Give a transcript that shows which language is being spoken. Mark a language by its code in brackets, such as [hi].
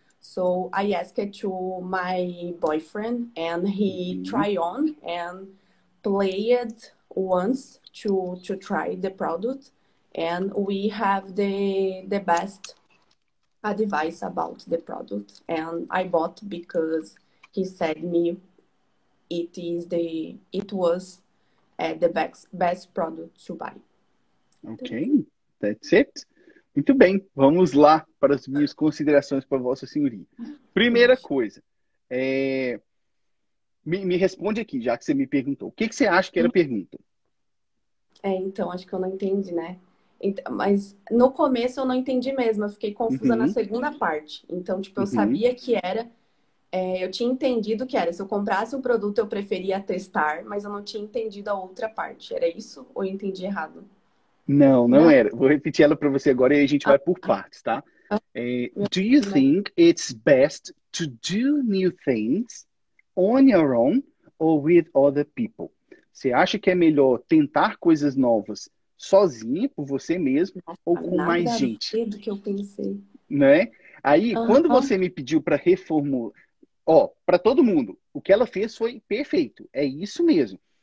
[en] So I asked it to my boyfriend and he try on and play it once to try the product. And we have the best advice about the product. And I bought because he said me it was the best product to buy. Okay, that's it. [pt] Muito bem, vamos lá para as minhas considerações para Vossa Senhoria. Primeira coisa, me responde aqui, já que você me perguntou. O que, que você acha que era a pergunta? Então, acho que eu não entendi, né? Então, mas no começo eu não entendi mesmo, eu fiquei confusa na segunda parte. Então, tipo, eu sabia que era, eu tinha entendido que era, se eu comprasse um produto eu preferia testar, mas eu não tinha entendido a outra parte. Era isso ou eu entendi errado? Não, não era. Vou repetir ela para você agora e a gente vai por partes, tá? [en] Do you think it's best to do new things on your own or with other people? [pt] Você acha que é melhor tentar coisas novas sozinha, por você mesmo, ou com nada mais gente? Nada do que eu pensei. Né? Aí, quando você me pediu para reformular... Ó, para todo mundo, o que ela fez foi perfeito. É isso mesmo.